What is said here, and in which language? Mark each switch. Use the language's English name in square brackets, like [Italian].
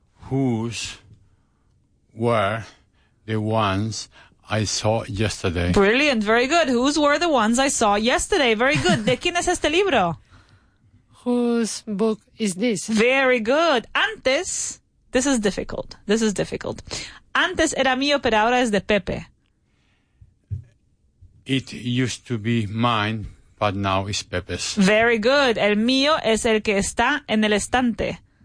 [English] Whose were the ones I saw yesterday? Brilliant. Very good. Whose were the ones I saw yesterday? Very good. [Spanish] ¿De quién es este libro? [English] Whose book is this? Very good. [Spanish] Antes, [English] this is difficult. This is difficult. [Spanish] Antes era mío, pero ahora es de Pepe. [English] It used to be mine, but now it's Pepe's. Very good. [Spanish] El mío es el que está en el estante.